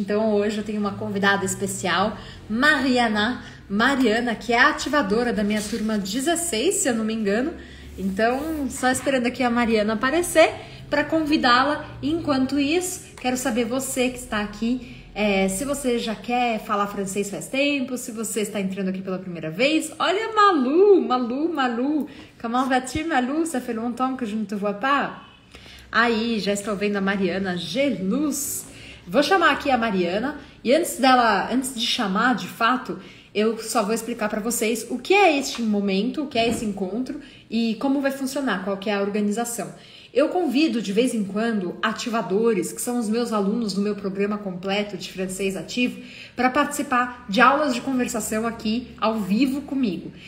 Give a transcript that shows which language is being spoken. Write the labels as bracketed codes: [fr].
[pt] Então hoje eu tenho uma convidada especial, Mariana, que é a ativadora da minha turma 16, se eu não me engano. Então, só esperando aqui a Mariana aparecer para convidá-la. Enquanto isso, quero saber você que está aqui, se você já quer falar francês faz tempo, se você está entrando aqui pela primeira vez. [fr] Olha a Malu. Comment vas-tu, Malu? Ça fait longtemps que je ne te vois pas. [pt] Aí, já estou vendo a Mariana Geluz. Vou chamar aqui a Mariana. E antes de chamar, de fato, eu só vou explicar para vocês o que é este momento, o que é esse encontro e como vai funcionar, qual que é a organização. Eu convido, de vez em quando, ativadores, que são os meus alunos do meu programa completo de francês ativo, para participar de aulas de conversação aqui, ao vivo, comigo.